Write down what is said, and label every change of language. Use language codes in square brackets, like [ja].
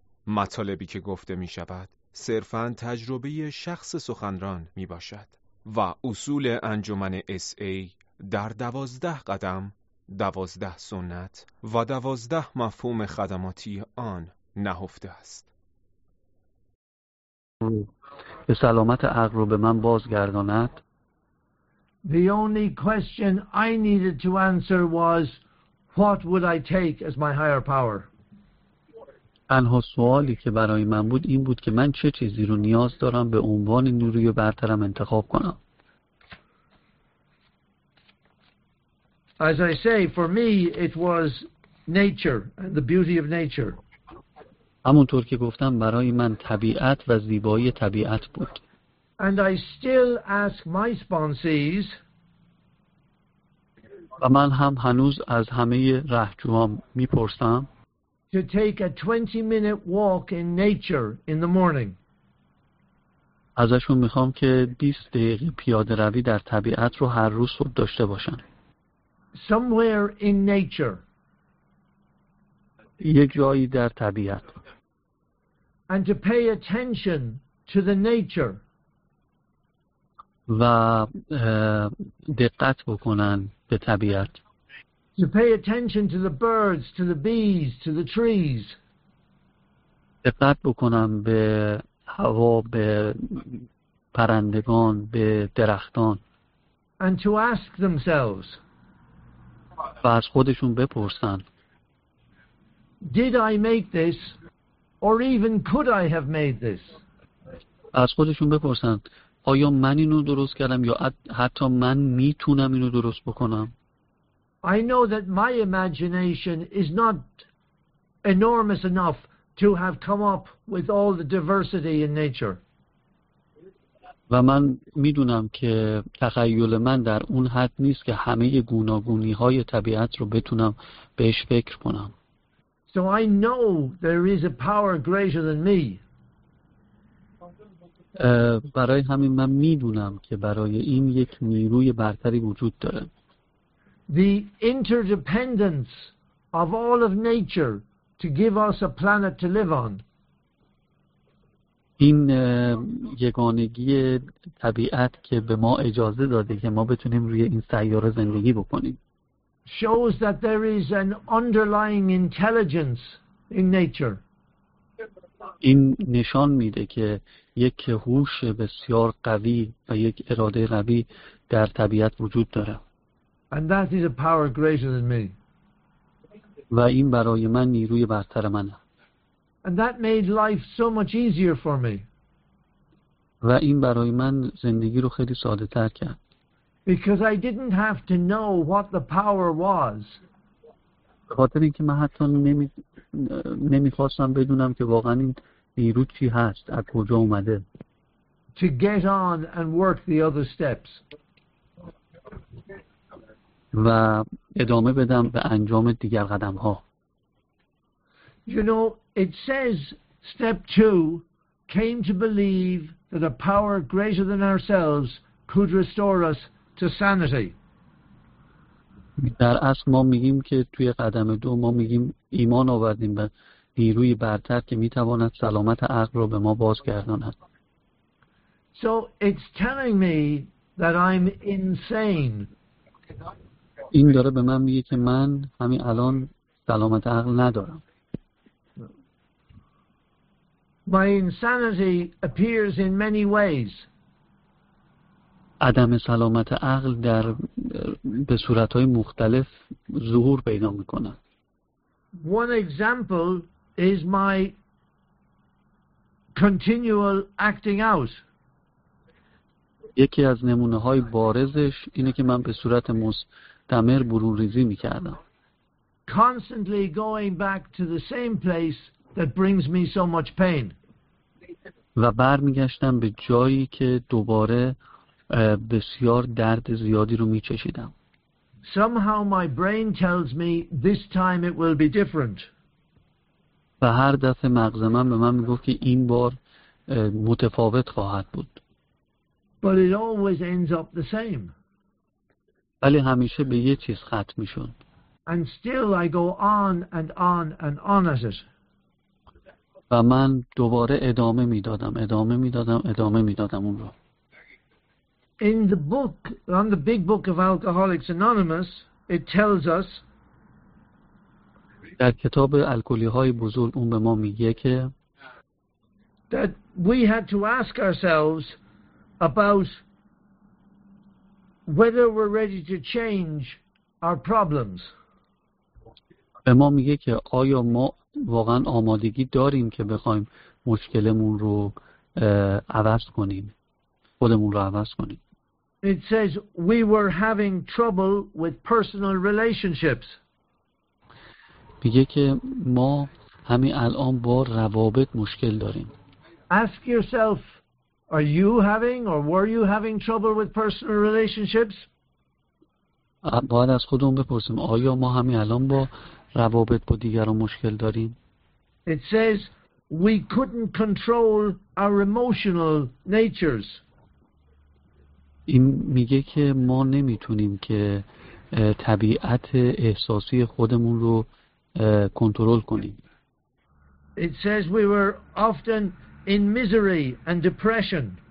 [fa] مطالبی که گفته می‌شود صرفاً تجربه شخص سخنران می‌باشد و اصول انجمن SA در 12 قدم، 12 سنت و 12 مفهوم خدماتی آن نهفته است. به سلامت عقل رو به من بازگرداند. [en] The only question I needed to answer was, what would I take as my higher power? [fa] تنها سوالی که برای من بود این بود که من چه چیزی رو نیاز دارم به عنوان نیروی برترم انتخاب کنم. [en] As I say, for me it was nature and the beauty of nature. [fa] همونطور که گفتم برای من طبیعت و زیبایی طبیعت بود. [en] And I still ask my sponsees, [fa] و من هم هنوز از همه رهجوام میپرسم [en] to take a 20-minute walk in nature in the morning. [fa] ازشون میخوام که 20 دقیقه پیاده روی در طبیعت رو هر روز صبح داشته باشن. [en] Somewhere in nature. [fa] یک جایی در طبیعت. [en] And to pay attention to the nature. [fa] و دقت بکنن به طبیعت. [en] To pay attention to the birds, to the bees, to the trees. [fa] دقت بکنن به هوا، به پرندگان، به درختان. [en] And to ask themselves. [fa] و از خودشون بپرسن. [en] Did I make this? Or even could I have made this? [fa] از خودشون بپرسن آیا من اینو درست کردم یا حتی من میتونم اینو درست بکنم. [en] I know that my imagination is not enormous enough to have come up with all the diversity in nature. [fa] و من میدونم که تخیل من در اون حد نیست که همه گوناگونی های طبیعت رو بتونم بهش فکر کنم. [en] So I know there is a power greater than me. [fa] برای همین من میدونم که برای این یک نیروی برتری وجود داره. [en] The interdependence of all of nature to give us a planet to live on. [fa] این یگانگی طبیعت که به ما اجازه داده که ما بتونیم روی این سیاره زندگی بکنیم. [en] Shows that there is an underlying intelligence in nature. [fa] این نشان میده که یک هوش بسیار قوی و یک اراده قوی در طبیعت وجود داره. [en] And that is a power greater than me. [fa] و این برای من نیروی برتر منه. [en] And that made life so much easier for me. [fa] و این برای من زندگی رو خیلی ساده تر کرد. [en] Because I didn't have to know what the power was. [fa] خاطر اینکه من حتی نمیخواستم بدونم که واقعا این نیرو چی هست، از کجا اومده. [en] To get on and work the other steps. [fa] و ادامه بدم به انجام دیگر قدم ها. [en] You know, it says step 2 came to believe that a power greater than ourselves could restore us to sanity. [fa] در اصل ما میگیم که توی قدم دو ما میگیم ایمان آوردیم به نیروی برتر که میتواند سلامت عقل رو به ما بازگرداند. [en] So it's telling me that I'm insane. [fa] این داره به من میگه که من همین الان سلامت عقل ندارم. [en] My insanity appears in many ways. [fa] عدم سلامت عقل در به صورت‌های مختلف ظهور پیدا می‌کند. [en] One example is my continual acting out. [fa] یکی از نمونه‌های بارزش اینه که من به صورت مستمر برون ریزی می‌کردم. [en] Constantly going back to the same place that brings me so much pain. [fa] و برمیگشتم به جایی که دوباره بسیار درد زیادی رو می چشیدم. [en] Somehow my brain tells me this time it will be different. [fa] و هر دفعه مغز من به من می گفت که این بار متفاوت خواهد بود. [en] But it always ends up the same. [fa] ولی همیشه به یه چیز ختم میشون. [en] And still I go on and on and on as it. [fa] و من دوباره ادامه میدادم، ادامه میدادم، ادامه میدادم اون رو. [en] In the book, on the big book of Alcoholics Anonymous, it tells us. [fa] در کتاب الکلی‌های بزرگ اون به ما میگه که. [en] That we had to ask ourselves about whether we're ready to change our problems. [fa] به ما میگه که آیا ما واقعا آمادگی داریم که بخوایم مشکلمون رو عوض کنیم، خودمون رو عوض کنیم. [en] It says we were having trouble with personal relationships. [fa] میگه که ما همین الان با روابط مشکل داریم. [en] Ask yourself, are you having or were you having trouble with personal relationships? [fa] باید از خودمون بپرسیم آیا ما همین الان با روابط با دیگران مشکل داریم؟ [en] It says we couldn't control our emotional natures. [fa] این میگه که ما نمیتونیم که طبیعت احساسی خودمون رو کنترل کنیم. [en] It says we were often in misery and depression.